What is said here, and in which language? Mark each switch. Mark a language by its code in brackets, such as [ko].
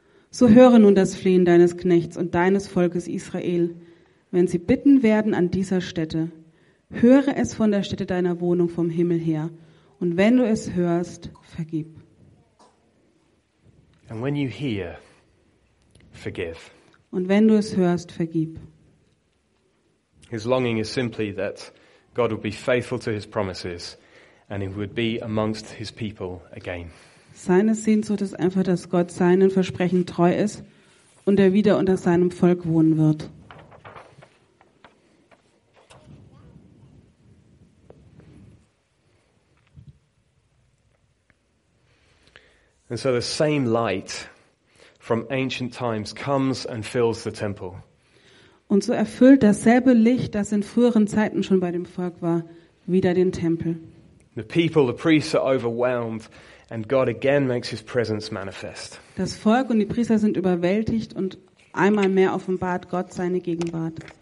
[de] So höre nun das Flehen deines Knechts und deines Volkes Israel, wenn sie bitten werden an dieser Stätte. Höre es von der Stätte deiner Wohnung vom Himmel her. Und wenn du es hörst, vergib. [en] And when you hear, forgive. [de] Und wenn du es hörst, vergib. [en] His longing is simply that God would be faithful to his promises and he would be amongst his people again. [de] Seine Sehnsucht ist einfach, dass Gott seinen Versprechen treu ist und er wieder unter seinem Volk wohnen wird. [en] And so the same light from ancient times comes and fills the temple. [de] Und so erfüllt dasselbe Licht, das in früheren Zeiten schon bei dem Volk war, wieder den Tempel. [en] The people, the priests are overwhelmed and God again makes his presence manifest. [de] Das Volk und die Priester sind überwältigt und einmal mehr offenbart Gott seine Gegenwart.